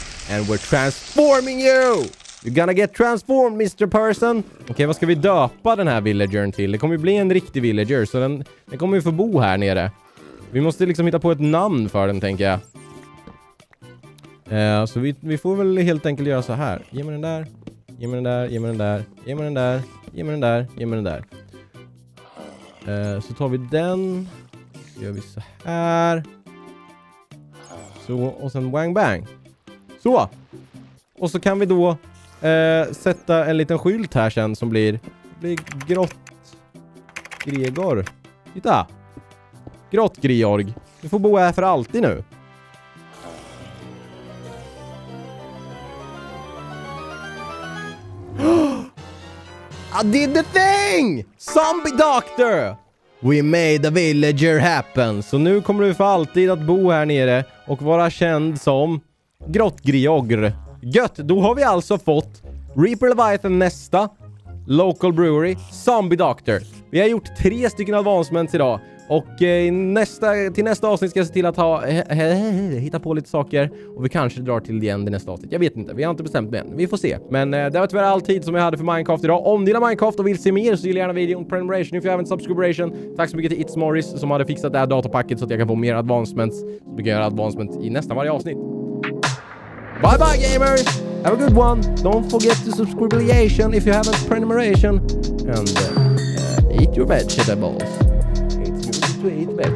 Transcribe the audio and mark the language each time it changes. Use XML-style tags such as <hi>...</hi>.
<en>And we're transforming you. You're gonna get transformed, Mr. Person.</en> <sv>Okej, vad ska vi döpa den här villagern till? Det kommer ju bli en riktig villager. Så den kommer ju få bo här nere. Vi måste liksom hitta på ett namn för den, tänker jag. Så vi får väl helt enkelt göra så här. Ge mig den där. Ge mig den där. Ge mig den där. Ge mig den där. Ge mig den där. Ge mig den där. Så tar vi den. Så gör vi så här. Så. Och sen wang bang. Så. Och så kan vi då sätta en liten skylt här sen som blir grått Gregor. Titta. Grått Gregorg. Du får bo här för alltid nu.</sv> <en>I did the thing! Zombie doctor! We made the villager happen.</en> <sv>Så nu kommer du för alltid att bo här nere och vara känd som Grottgriogr. Gött! Då har vi alltså fått Reaper Leviathan nästa. Local brewery. Zombie doctor. Vi har gjort tre stycken advancements idag. Och till nästa avsnitt ska jag se till att hitta på lite saker. Och vi kanske drar till igen det nästa avsnitt. Jag vet inte, vi har inte bestämt det än. Vi får se. Men det var tyvärr all tid som jag hade för Minecraft idag. Om ni gillar Minecraft och vill se mer så gillar gärna videon.</sv> <en>Prenumeration if you haven't subscribed.</en> <sv>Tack så mycket till It's Morris som hade fixat det här datapacket så att jag kan få mer advancements. Så vi kan göra advancements i nästan varje avsnitt.</sv> <en>Bye bye gamers! Have a good one! Don't forget to subscribeation if you haven't prenumeration. And eat your vegetables. To eat</en>